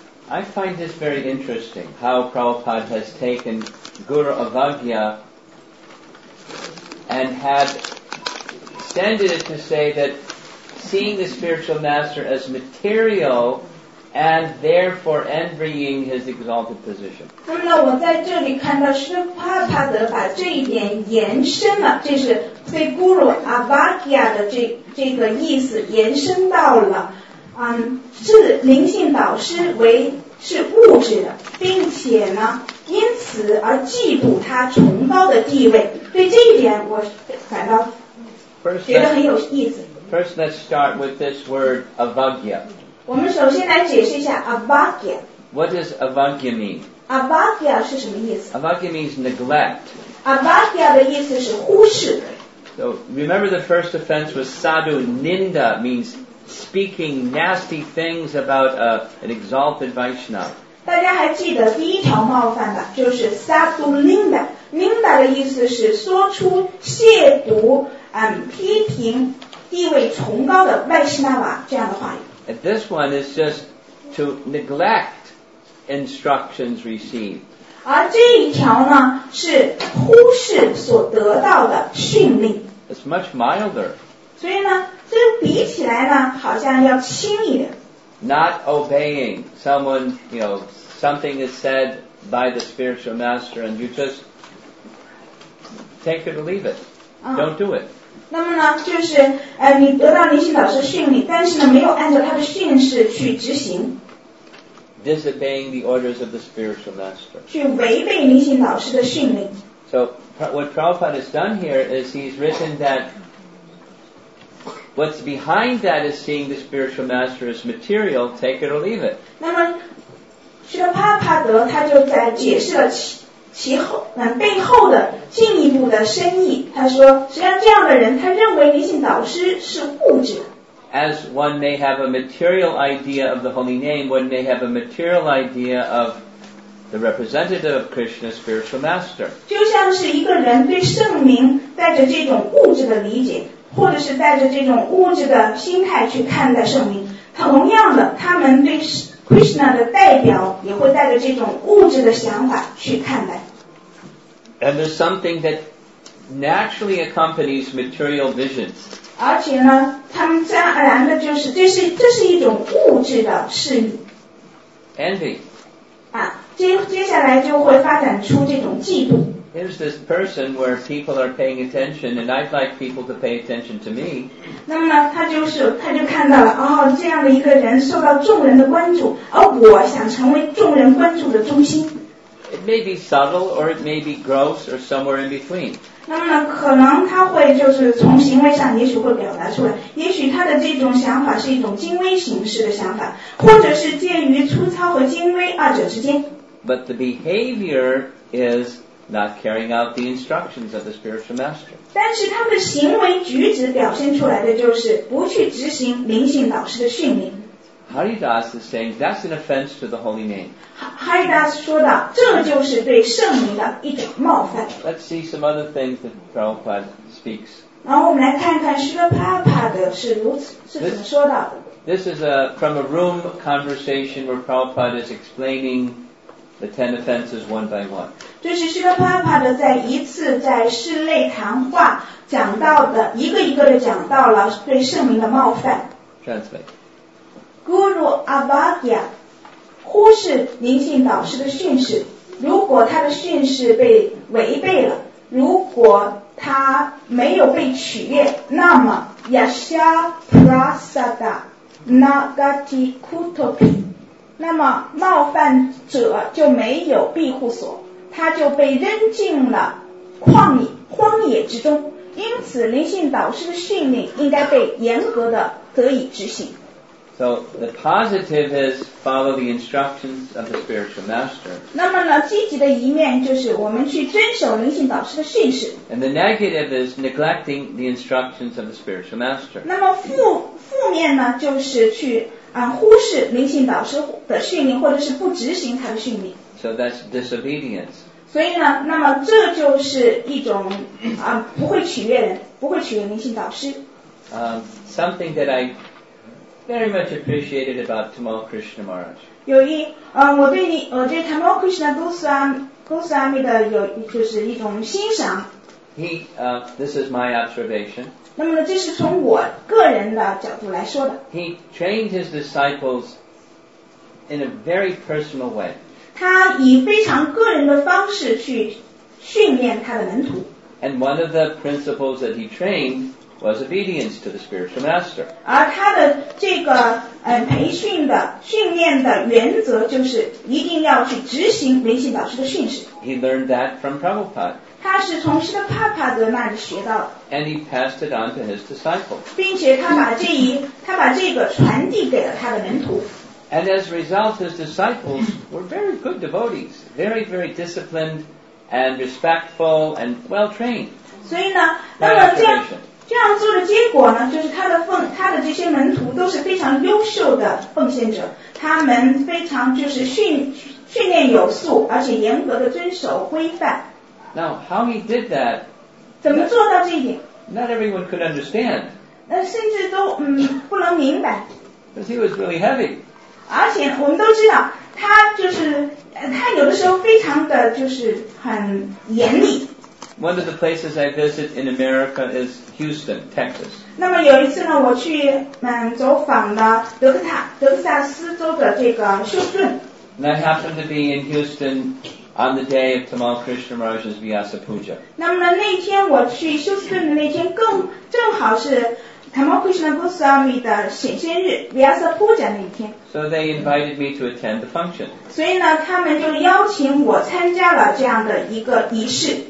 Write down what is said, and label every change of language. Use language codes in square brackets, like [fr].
[en] I find this very interesting, how Prabhupada has taken Guru Avagya and had extended it to say that seeing the spiritual master as material and therefore envying his exalted position. [zh] 那么我在这里看到是帕帕德把这一点延伸了，这是被咕噜阿瓦基亚的这个意思延伸到了，是灵性导师为是物质的，并且呢，因此而嫉妒他崇高的地位。对这一点，我感到觉得很有意思。 [en] First, let's start with this word avagya. [zh] 我们首先来解释一下 avagya. [en] What does avagya mean? [zh] Avagya 是什么意思？ [en] Avagya means neglect. [zh] Avagya 的意思是忽视。 [en] So remember, the first offense was sadhu ninda, means speaking nasty things about an exalted Vaishnava. [zh] 大家还记得第一条冒犯吧？就是 sadhu ninda. Ninda 的意思是说出亵渎、批评。地位崇高的麦西纳瓦这样的话语。 [en] And this one is just to neglect instructions received. [zh] 而这一条呢，是忽视所得到的训令。 [en] It's much milder. [zh] 所以呢，这比起来呢，好像要轻一点。 [en] Not obeying someone, you know, something is said by the spiritual master and you just take it or leave it. Don't do it. [zh] 那么呢，就是你得到灵性导师训令，但是呢，没有按照他的训示去执行。 [en] Disobeying the orders of the spiritual master. [zh] 去违背灵性导师的训令。 [en] So what Prabhupada has done here is he's written that what's behind that is seeing the spiritual master as material, take it or leave it. [zh] 那么，释迦帕帕德他就在解释了背后的进一步的深意，他说，实际上这样的人，他认为灵性导师是物质。 [en] As one may have a material idea of the holy name, one may have a material idea of the representative of Krishna, spiritual master. [zh] 就像是一个人对圣名带着这种物质的理解，或者是带着这种物质的心态去看待圣名。同样的，他们对Krishna 的代表也会带着这种物质的想法去看待。 [en] And there's something that naturally accompanies material visions. [zh] 而且呢，他们自然而然的就是这是一种物质的视力。 [en] Envy. [zh] 接下来就会发展出这种嫉妒。 [en] Here's this person where people are paying attention, and I'd like people to pay attention to me. [zh] 那么呢，他就看到了，这样的一个人受到众人的关注，而我想成为众人关注的中心。 [en] It may be subtle, or it may be gross, or somewhere in between. [zh] 那么呢，可能他会就是从行为上，也许会表达出来，也许他的这种想法是一种精微形式的想法，或者是介于粗糙和精微二者之间。 [en] But the behavior is. Not carrying out the instructions of the spiritual master. [zh] 但是他们的行为举止表现出来的就是不去执行灵性导师的训令。 [en] Haridas is saying that's an offense to the holy name. [zh] Haridas 说道，这就是对圣名的一种冒犯。 [en] Let's see some other things that Prabhupada speaks. [zh] 然后我们来看看释迦帕帕德是如此是怎么说的。 [en] This is from a room conversation where Prabhupada is explaining. The 10 offenses one by one. [zh] 这是释迦帕帕德在一次在室内谈话讲到的，一个一个的讲到了对圣名的冒犯。 [en] Translate. [zh] Guru Avagya 忽视灵性导师的训示，如果他的训示被违背了，如果他没有被取悦，那么 [sa] Yasya Prasada Nagati Kutopi. [zh] 那么冒犯者就没有庇护所，他就被扔进了旷野荒野之中，因此灵性导师的训令应该被严格的得以执行。 [en] So the positive is follow the instructions of the spiritual master. [zh] 那么呢，积极的一面就是我们去遵守灵性导师的训示。 [en] And the negative is neglecting the instructions of the spiritual master. [zh] 那么负面呢，就是去忽视灵性导师的训令，或者是不执行他的训令。 [en] So that's disobedience. [zh] 所以呢，那么这就是一种不会取悦人，不会取悦灵性导师。 [en] Something that I very much appreciated about Tamal Krishna Maharaj. [zh] 我对 Tamal Krishna Goswami 的有就是一种欣赏。 [en] This is my observation. [zh] 那么呢，这是从我个人的角度来说的。 [en] He trained his disciples in a very personal way. [zh] 他以非常个人的方式去训练他的门徒。 [en] And one of the principles that he trained was obedience to the spiritual master. [zh] 而他的这个培训的训练的原则就是一定要去执行灵性导师的训示。 [en] He learned that from Prabhupada. [zh] 他是从师的帕帕德那里学到的。 [en] And he passed it on to his disciples. [zh] 并且他把这个传递给了他的门徒。 [en] And as a result, his disciples were very good devotees, very, very disciplined and respectful and well trained. [zh] 所以呢，那么这样做的结果呢，就是他的这些门徒都是非常优秀的奉献者，他们非常就是训练有素，而且严格的遵守规范。 [en] Now, how he did that? [zh] 怎么做到这一点？ [en] Not everyone could understand. [zh] 甚至都不能明白。 [en] Because he was really heavy. [zh] 而且我们都知道他就是他有的时候非常的就是很严厉。 [en] One of the places I visit in America is Houston, Texas. [zh] 那么有一次呢我去走访了德克萨斯州的这个休斯顿。 [en] And I happened to be in Houston on the day of Tamal Krishnamurti's Vyasa Puja. [zh] 那么呢那天我去休斯顿的那天正好是Tamal Krishna Goswami 的显现日 Vyasa Puja 那一天。 [en] So they invited me to attend the function. [zh] 所以呢他们就邀请我参加了这样的一个仪式。